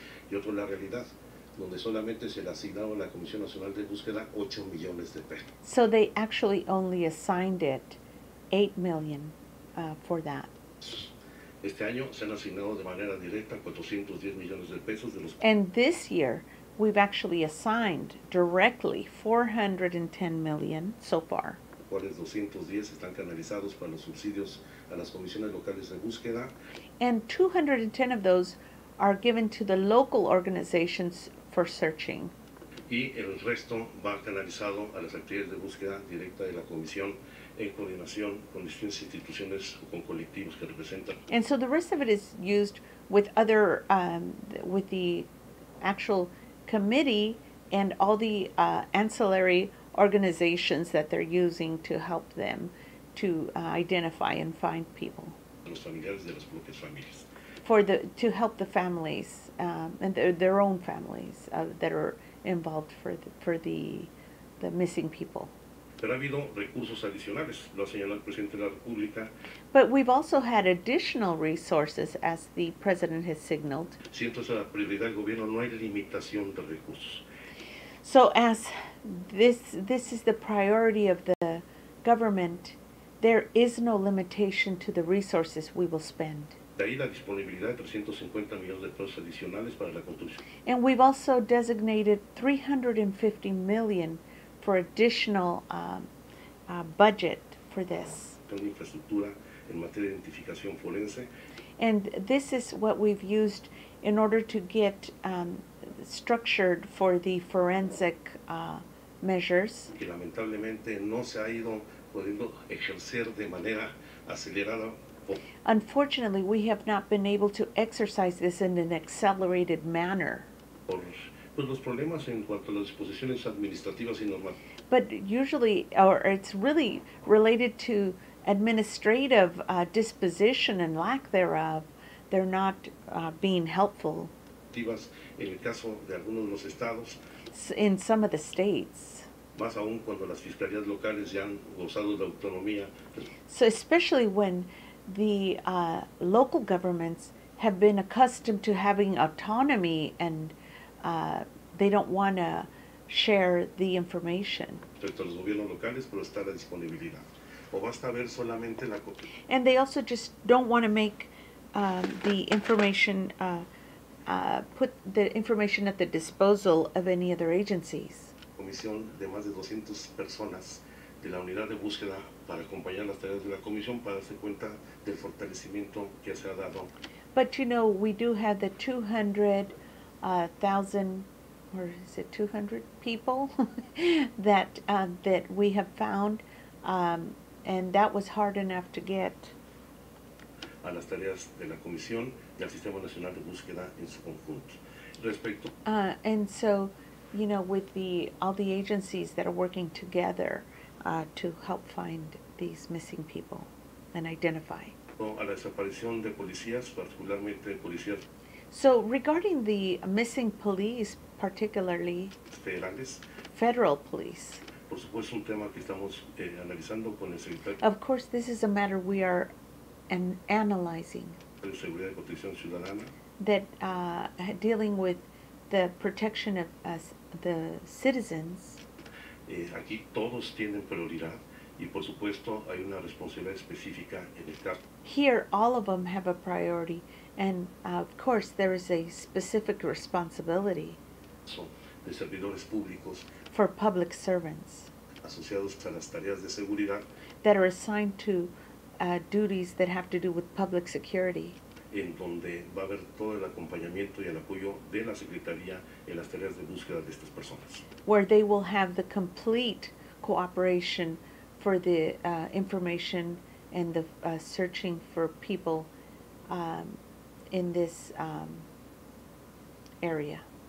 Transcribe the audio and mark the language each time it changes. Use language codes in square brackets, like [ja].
[es] Y otro la realidad, donde solamente se le asignaron a la Comisión Nacional de Búsqueda 8 millones de pesos. [en] So they actually only assigned it 8 million for that. [es] Este año se han asignado de manera directa 410 millones de pesos de los. [en] And this year we've actually assigned directly 410 million so far. [es] Cuales 210 están canalizados para los subsidios a las comisiones locales de búsqueda. [en] And 210 of those are given to the local organizations for searching. [es] Y el resto va canalizado a las actividades de búsqueda directa de la comisión en coordinación con distintas instituciones o con colectivos que representan. [en] And so the rest of it is used with other, with the actual committee and all the ancillary organizations that they're using to help them to identify and find people. [es] Los familiares de las propias familias. [en] For the to help the families and their own families that are involved for the missing people. [es] Pero ha habido recursos adicionales, lo ha señalado el presidente de la República. [en] But we've also had additional resources, as the president has signaled. [es] Siento esa prioridad del gobierno, no hay limitación de recursos. [en] So as this is the priority of the government, there is no limitation to the resources we will spend. [es] De ahí la disponibilidad de 350 millones de pesos adicionales para la construcción. [en] And we've also designated 350 million for additional budget for this. [es] Infraestructura en materia de identificación forense. [en] And this is what we've used in order to get structured for the forensic measures. [es] Que lamentablemente no se ha ido pudiendo ejercer de manera acelerada. [en] Unfortunately, we have not been able to exercise this in an accelerated manner. [es] Por, pues los problemas en cuanto a las disposiciones administrativas y normativas. [en] But usually, or it's really related to administrative disposition and lack thereof, they're not being helpful. [es] En el caso de algunos de los estados. [en] In some of the states. [es] Más aún cuando las fiscalías locales ya han gozado de autonomía. [en] So especially when the local governments have been accustomed to having autonomy and they don't want to share the information. [es] Respecto a los gobiernos locales, pero está la disponibilidad. O basta ver solamente la copia. [en] And they also just don't want to make the information, put the information at the disposal of any other agencies. [es] Comisión de más de 200 personas de la unidad de búsqueda para acompañar las tareas de la comisión para darse cuenta del fortalecimiento que se ha dado. [en] But you know, we do have the 200,000, or is it 200 people that that we have found, and that was hard enough to get. [es] A las tareas de la comisión y al Sistema Nacional de Búsqueda en su conjunto. Respecto. [en] And so, you know, with the all the agencies that are working together to help find these missing people and identify. [es] A la desaparición de policías, particularmente de policías. [en] So regarding the missing police, particularly [es] federales, [en] federal police. [es] Por supuesto, un tema que estamos analizando con el secretario. [en] Of course, this is a matter we are analyzing. [es] De seguridad y protección ciudadana. [en] That dealing with the protection of the citizens. [es] Aquí todos tienen prioridad y por supuesto hay una responsabilidad específica en el caso. [en] Here, all of them have a priority. And of course, there is a specific responsibility [es] de servidores públicos [en] for public servants. [es] asociados a las tareas de seguridad, [en] that are assigned to duties that have to do with public security, [es] en donde va a haber todo el acompañamiento y el apoyo de la Secretaría en las tareas de búsqueda de estas personas, [en] where they will have the complete cooperation for the information and the searching for people in this area.